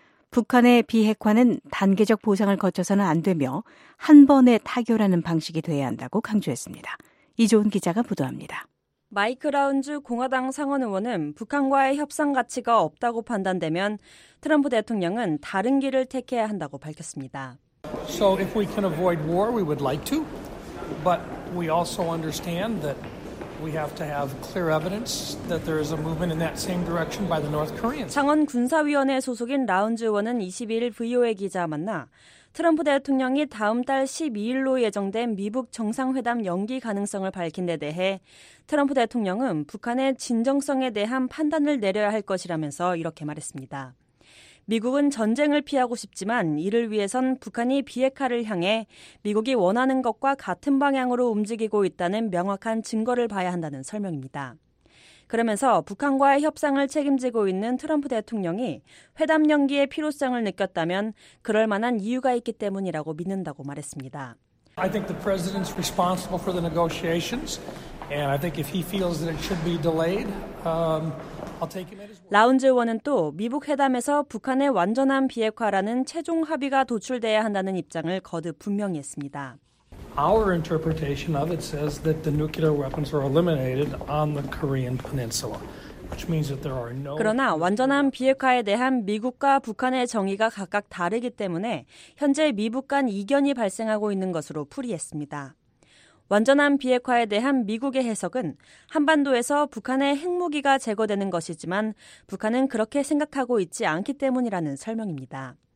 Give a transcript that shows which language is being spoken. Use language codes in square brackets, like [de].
[ko] 북한의 비핵화는 단계적 보상을 거쳐서는 안 되며 한 번에 타결하는 방식이 돼야 한다고 강조했습니다. 이조은 기자가 보도합니다. 마이크 라운즈 공화당 상원의원은 북한과의 협상 가치가 없다고 판단되면 트럼프 대통령은 다른 길을 택해야 한다고 밝혔습니다. [en] So if we can avoid war, we would like to. But we also understand that we have to have clear evidence that there is a movement in that same direction by the North Koreans. [ko] 상원 군사위원회 소속인 라운즈 의원은 22일 VOA 기자와 만나 트럼프 대통령이 다음 달 12일로 예정된 미북 정상회담 연기 가능성을 밝힌 데 대해 트럼프 대통령은 북한의 진정성에 대한 판단을 내려야 할 것이라면서 이렇게 말했습니다. 미국은 전쟁을 피하고 싶지만 이를 위해선 북한이 비핵화를 향해 미국이 원하는 것과 같은 방향으로 움직이고 있다는 명확한 증거를 봐야 한다는 설명입니다. 그러면서 북한과의 협상을 책임지고 있는 트럼프 대통령이 회담 연기의 필요성을 느꼈다면 그럴 만한 이유가 있기 때문이라고 믿는다고 말했습니다. [en] I think the president's responsible for the negotiations and I think if he feels that it should be delayed, I'll take him at his word. [ko] 라운즈 의원은 또 미북 회담에서 북한의 완전한 비핵화라는 최종 합의가 도출돼야 한다는 입장을 거듭 분명히 했습니다. [en] Our interpretation of it says that the nuclear weapons are eliminated on the Korean Peninsula, which means that there are no. [ko] 그러나 완전한 비핵화에 대한 미국과 북한의 정의가 각각 다르기 때문에 현재 미북 간 이견이 발생하고 있는 것으로 풀이했습니다. 완전한 비핵화에 대한 미국의 해석은 한반도에서 북한의 핵무기가 제거되는 것이지만 북한은 그렇게 생각하고 있지 않기 때문이라는 설명입니다.